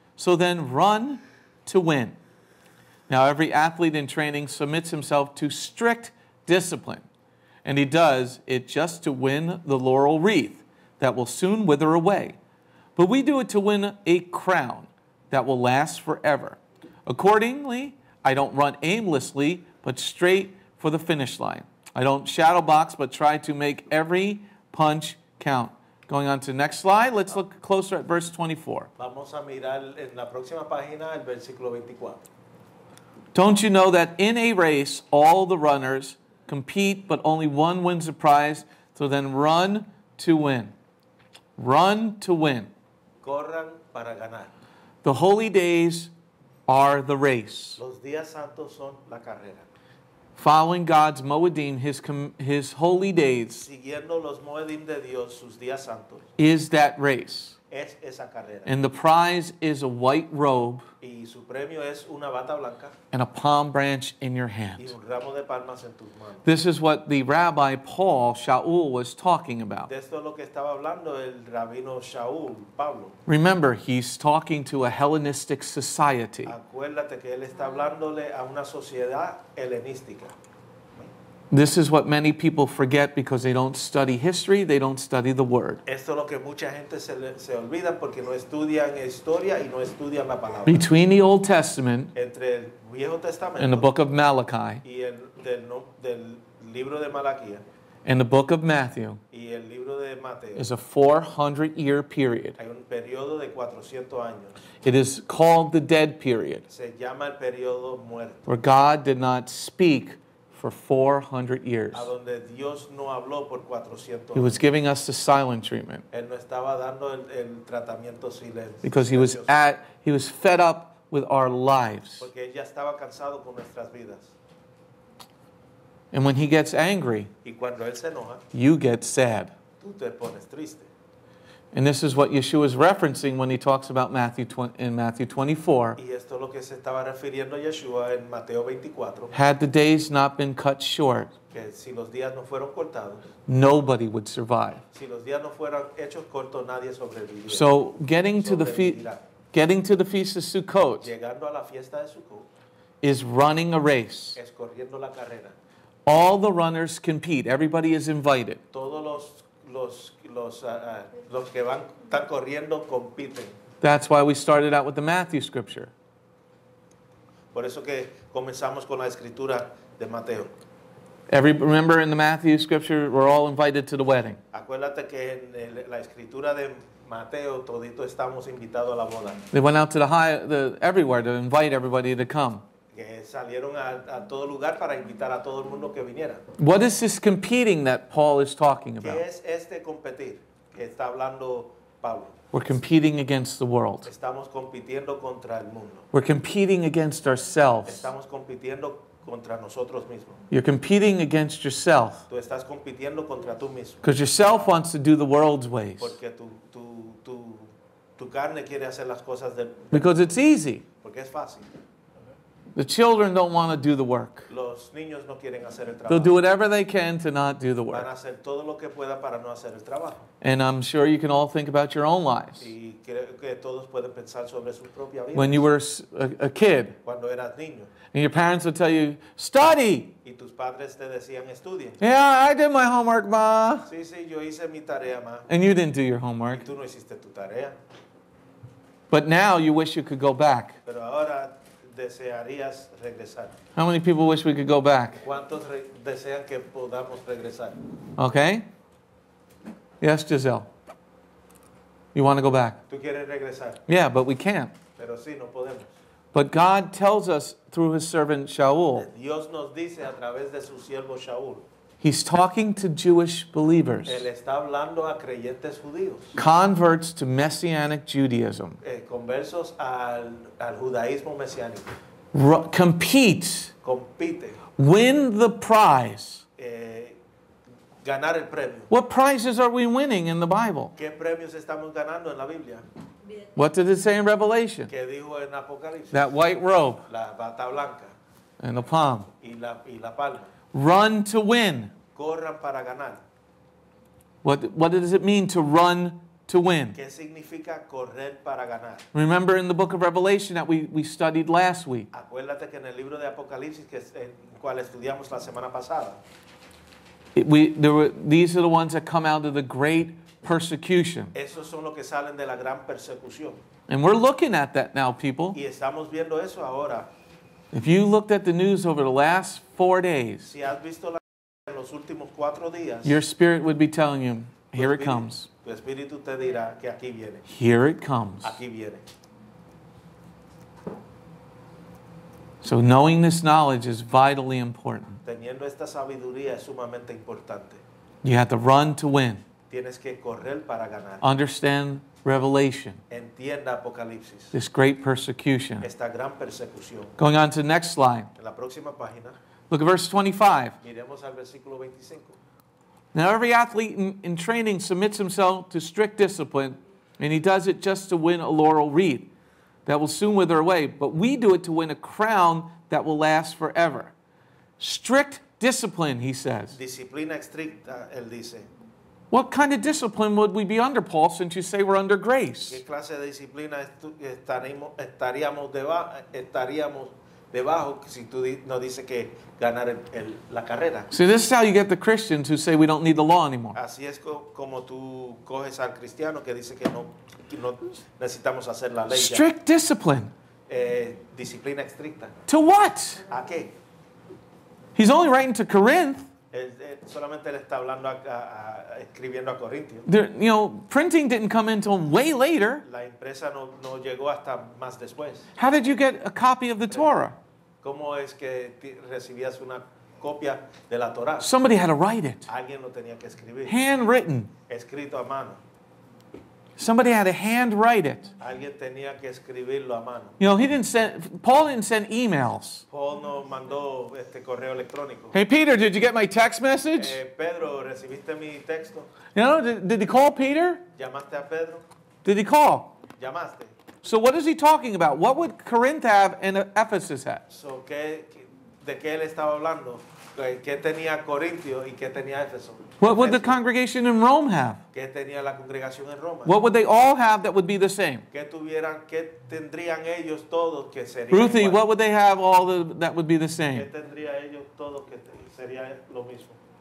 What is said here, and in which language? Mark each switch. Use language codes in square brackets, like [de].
[en] So then run to win. Now every athlete in training submits himself to strict discipline, and he does it just to win the laurel wreath that will soon wither away. But we do it to win a crown that will last forever. Accordingly, I don't run aimlessly, but straight for the finish line. I don't shadow box, but try to make every punch count. Going on to the next slide, let's look closer at verse 24. [es] Vamos a mirar en la próxima página el versículo 24. [en] Don't you know that in a race, all the runners compete, but only one wins the prize? So then run to win. Run to win. [es] Corran para ganar. [en] The holy days are the race. [es] Los días santos son la carrera. [en] Following God's Moedim, his holy days, [es] siguiendo los Moedim de Dios, sus días santos, [en] is that race. [es] Es esa carrera. [en] And the prize is a white robe [es] y su premio es una bata blanca, [en] and a palm branch in your hand. [es] Y un ramo de palmas en tus manos. [en] This is what the Rabbi Paul Shaul was talking about. [es] De esto es lo que estaba hablando el Rabino Shaul, Pablo. [en] Remember, he's talking to a Hellenistic society. [es] Acuérdate que él está hablándole a una sociedad helenística. [en] This is what many people forget because they don't study history, they don't study the Word. [es] Esto es lo que mucha gente se olvida porque no estudian historia y no estudian la palabra. [en] Between the Old Testament, [es] entre el Viejo Testamento, [en] and the book of Malachi, [es] y el del libro de Malaquía, [en] and the book of Matthew, [es] y el libro de Mateo, [en] is a 400-year period. [es] Hay un periodo de 400 años. [en] It is called the dead period. [es] Se llama el periodo muerto. [en] Where God did not speak for 400 years. [es] A donde Dios no habló por 400 años. [en] He was giving us the silent treatment. [es] Él no estaba dando el tratamiento silencio. [en] Because he was fed up with our lives. [es] Porque él ya estaba cansado con nuestras vidas. [en] And when he gets angry, [es] y cuando él se enoja, [en] you get sad. [es] Tú te pones triste. [en] And this is what Yeshua is referencing when he talks about Matthew 24. [es] Y esto es lo que se estaba refiriendo Yeshua en Mateo 24. [en] Had the days not been cut short, [es] que si los días no fueron cortados, [en] nobody would survive. [es] Si los días no fueran hechos cortos, nadie sobreviviría. [en] So getting to the Feast of Sukkot, [es] llegando a la fiesta de Sukkot, [en] is running a race. [es] Es corriendo la carrera. [en] All the runners compete. Everybody is invited. [es] Todos los que van están corriendo compiten. [en] That's why we started out with the Matthew scripture. [es] Por eso que comenzamos con la escritura de Mateo. [en] Remember in the Matthew scripture, we're all invited to the wedding. [es] Acuérdate que en la escritura de Mateo todito estamos invitados a la boda. [en] They went out to everywhere to invite everybody to come. [es] Que salieron a todo lugar para invitar a todo el mundo que viniera. [en] What is this competing that Paul is talking about? [es] ¿Qué es este competir que está hablando Pablo? [en] We're competing against the world. [es] Estamos compitiendo contra el mundo. [en] We're competing against ourselves. [es] Estamos compitiendo contra nosotros mismos. [en] You're competing against yourself. [es] Tú estás compitiendo contra tú mismo. [en] Because yourself wants to do the world's ways. [es] Porque tu carne quiere hacer las cosas de. [en] Because it's easy. [es] Porque es fácil. [en] The children don't want to do the work. [es] Los niños no quieren hacer el trabajo. [en] They'll do whatever they can to not do the work. [es] Van a hacer todo lo que pueda para no hacer el trabajo. [en] And I'm sure you can all think about your own lives. [es] Y creo que todos pueden pensar sobre su propia vida. [en] When you were a kid. [es] Cuando eras niño. [en] And your parents would tell you, study. [es] Y tus padres te decían, estudia. [en] Yeah, I did my homework, ma. [es] Sí, sí, yo hice mi tarea, ma. [en] And you didn't do your homework. [es] Y tú no hiciste tu tarea. [en] But now you wish you could go back. [es] Pero ahora, desearías regresar. [en] How many people wish we could go back? [es] ¿Cuántos desean que podamos regresar? [en] Okay. Yes, Giselle. You want to go back? [es] ¿Tú quieres regresar? [en] Yeah, but we can't. [es] Pero sí, no podemos. [en] But God tells us through his servant Shaul. [es] Dios nos dice a través de su siervo Shaul. [en] He's talking to Jewish believers. [es] Él está hablando a creyentes judíos. [en] Converts to Messianic Judaism. [es] Conversos al judaísmo mesiánico. Compite. [en] Win the prize. [es] Ganar el premio. [en] What prizes are we winning in the Bible? [es] ¿Qué premios estamos ganando en la Biblia? [en] What did it say in Revelation? [es] ¿Qué dijo en Apocalipsis? [en] That white robe. [es] La bata blanca. [en] And the palm. [es] Y la palma. [en] Run to win. [es] Corran para ganar. [en] What does it mean to run to win? [es] ¿Qué significa correr para ganar? [en] Remember in the book of Revelation that we studied last week. [es] Acuérdate que en el libro de Apocalipsis que en cual estudiamos la semana pasada. [en] These are the ones that come out of the great persecution. [es] Esos son los que salen de la gran persecución. [en] And we're looking at that now, people. [es] Y estamos viendo eso ahora. [en] If you looked at the news over the last 4 days, [es] si has visto en los últimos 4 días, [en] your spirit would be telling you, here it comes. [es] Tu espíritu te dirá que aquí viene. [en] Here it comes. [es] Aquí viene. [en] So knowing this knowledge is vitally important. [es] Teniendo esta sabiduría es sumamente importante. [en] You have to run to win. [es] Tienes que correr para ganar. [en] Understand Revelation. [es] Entienda Apocalipsis. [en] This great persecution. [es] Esta gran persecución. [en] Going on to the next slide. [es] En la próxima página. [en] Look at verse 25. [es] Miremos al versículo 25. [en] Now every athlete in training submits himself to strict discipline, and he does it just to win a laurel wreath that will soon wither away. But we do it to win a crown that will last forever. Strict discipline, he says. [es] Disciplina estricta, él dice. [en] What kind of discipline would we be under, Paul, since you say we're under grace? [es] ¿Qué clase de disciplina estaríamos debajo si tú no dices que ganar la carrera? [en] So this is how you get the Christians who say we don't need the law anymore. [es] Así es como tú coges al cristiano que dice que no necesitamos hacer la ley. [en] Strict discipline. [es] Disciplina estricta. [en] To what? [es] ¿A qué? [en] He's only writing to Corinth. [es] Solamente le está hablando escribiendo a Corintios. [en] Printing didn't come until way later. [es] La impresa no llegó hasta más después. [en] How did you get a copy of the Torah? [es] ¿Cómo es que recibías una copia de la Torah? [en] Somebody had to write it. [es] Alguien lo tenía que escribir. [en] Handwritten. [es] Escrito a mano. [en] Somebody had to handwrite it. [es] Alguien tenía que escribirlo a mano. [en] Paul didn't send emails. [es] Paul no mandó este correo electrónico. [en] Hey Peter, did you get my text message? [es] Pedro, ¿recibiste mi texto? [en] Did he call Peter? [es] ¿Llamaste a Pedro? [en] Did he call? [es] ¿Llamaste? [en] So what is he talking about? What would Corinth have and Ephesus have? [es] So ¿de qué él estaba hablando? ¿Qué tenía Corintio y qué tenía Éfeso? [en] What would the congregation in Rome have? [es] ¿Qué tenía la congregación en Roma? [en] What would they all have that would be the same? [es] ¿Qué tendrían ellos todos que sería Ruthie, igual? [en] What would they have all that would be the same? [es] ¿Qué tendría ellos todos que sería lo mismo?